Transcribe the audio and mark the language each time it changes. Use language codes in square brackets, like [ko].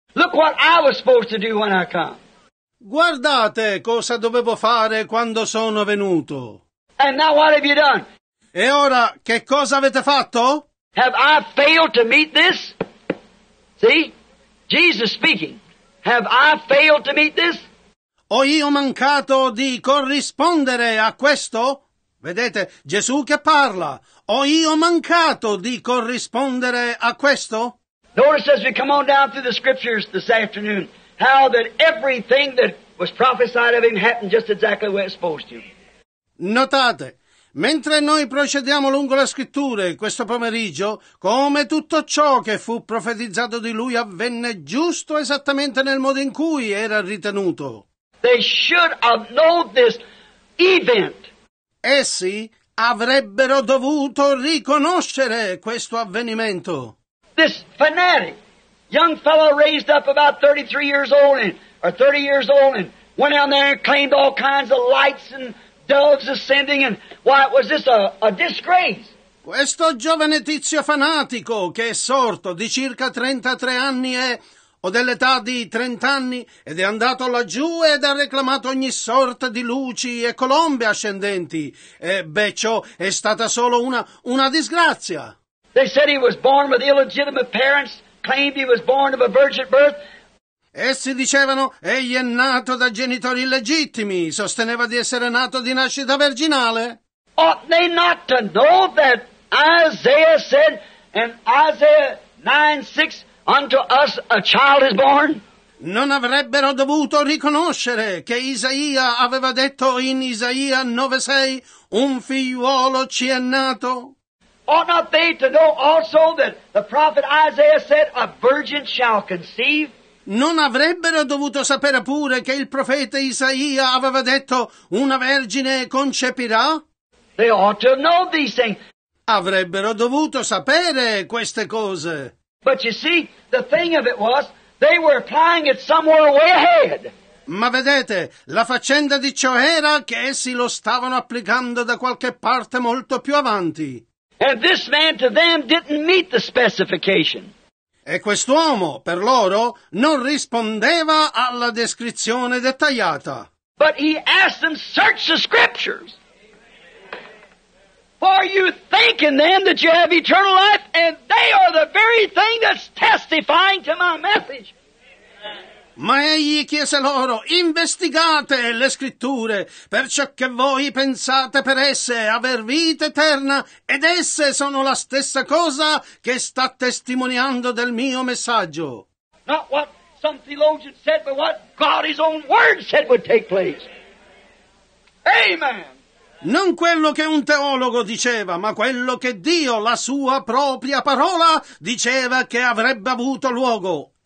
[en] Look what I was supposed to do when I come. [it] Guardate cosa dovevo fare quando sono venuto. [en] And now what have you done? [it] E ora che cosa avete fatto? [en] Have I failed to meet this? See? Jesus speaking. Have I failed to meet this? [it] Ho io mancato di corrispondere a questo? Vedete, Gesù che parla. Ho io mancato di corrispondere a questo? [en] Notice as we come on down through the scriptures this afternoon, how that everything that was prophesied of him happened just exactly where it's supposed to. [it] Notate, mentre noi procediamo lungo le scritture questo pomeriggio, come tutto ciò che fu profetizzato di lui avvenne giusto esattamente nel modo in cui era ritenuto. [en] They should have known this event. [it] Essi avrebbero dovuto riconoscere questo avvenimento. [en] This fanatic, young fellow raised up about 33 years old and or 30 years old and went down there and claimed all kinds of lights and doves ascending and why it was just a disgrace. [it] Questo giovane tizio fanatico che è sorto di circa 33 anni o dell'età di 30 anni ed è andato laggiù ed ha reclamato ogni sorta di luci e colombe ascendenti. E beh, ciò è stata solo una disgrazia. [en] They said he was born with illegitimate parents, claimed he was born of a virgin birth. [it] Essi dicevano egli è nato da genitori illegittimi, sosteneva di essere nato di nascita virginale. [en] Ought they not to know that Isaiah said in Isaiah 9:6 unto us a child is born? [it] non avrebbero dovuto riconoscere che Isaia aveva detto in Isaia 9:6, un figliuolo ci è nato? [en] Ought not they to know also that the prophet Isaiah said, a virgin shall conceive? [it] Non avrebbero dovuto sapere pure che il profeta Isaia aveva detto, una vergine concepirà? [en] They ought to know these things. [it] Avrebbero dovuto sapere queste cose. [en] But you see, the thing of it was, they were applying it somewhere way ahead. [it] Ma vedete, la faccenda di ciò era che essi lo stavano applicando da qualche parte molto più avanti. [en] And this man to them didn't meet the specification. [it] E quest'uomo, per loro, non rispondeva alla descrizione dettagliata. [en] But he asked them, search the scriptures. For you think in them that you have eternal life, and they are the very thing that's testifying to my message. [it] Ma egli chiese loro, investigate le scritture, perciò che voi pensate per esse aver vita eterna, ed esse sono la stessa cosa che sta testimoniando del mio messaggio. [en] Not what some theologian said, but what God's own word said would take place. Amen. [it] Non quello che un teologo diceva, ma quello che Dio, la sua propria parola, diceva che avrebbe avuto luogo.